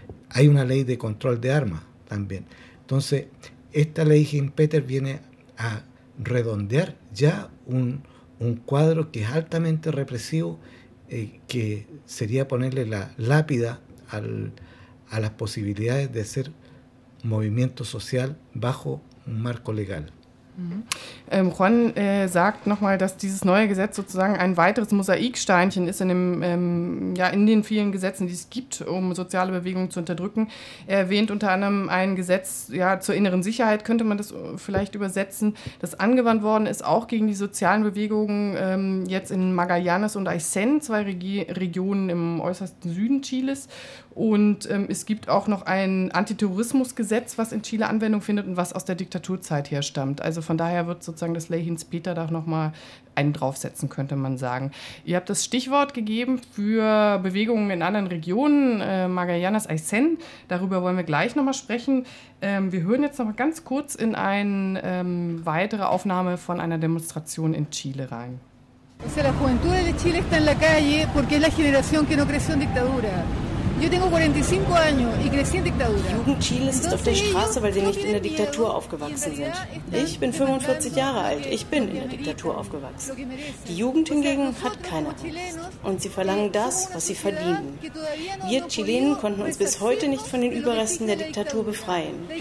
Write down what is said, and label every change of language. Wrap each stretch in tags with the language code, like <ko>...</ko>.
<es>Hay una ley de control de armas también. Entonces, esta ley Hinz-Peter viene a redondear ya un cuadro que es altamente represivo, que sería ponerle la lápida a las posibilidades de hacer movimiento social bajo un marco legal. Mhm.</es> <de>Juan sagt nochmal, dass dieses neue Gesetz sozusagen ein weiteres Mosaiksteinchen ist in den vielen Gesetzen, die es gibt, um soziale Bewegungen zu unterdrücken. Er erwähnt unter anderem ein Gesetz zur inneren Sicherheit, könnte man das vielleicht übersetzen, das angewandt worden ist, auch gegen die sozialen Bewegungen jetzt in Magallanes und Aysén, zwei Regionen im äußersten Süden Chiles. Und es gibt auch noch ein Antiterrorismusgesetz, was in Chile Anwendung findet und was aus der Diktaturzeit herstammt. Also von daher wird sozusagen das Ley Hinz-Peter da nochmal einen draufsetzen, könnte man sagen. Ihr habt das Stichwort gegeben für Bewegungen in anderen Regionen, Magallanes, Aysén. Darüber wollen wir gleich nochmal sprechen. Wir hören jetzt nochmal ganz kurz in eine weitere Aufnahme von einer Demonstration in Chile rein.</de> <es>O sea, la juventud de Chile está en la calle porque es la generación que no creció en dictadura. Yo tengo 45 años y crecí en dictadura.</es> <de>Jugend Chiles ist auf der Straße, weil sie nicht in der Diktatur aufgewachsen sind. Ich bin 45 Jahre alt. Ich bin in der Diktatur aufgewachsen. Die Jugend hingegen hat keine Angst. Und sie verlangen das, was sie verdienen. Wir Chilenen konnten uns bis heute nicht von den Überresten der Diktatur befreien.</de>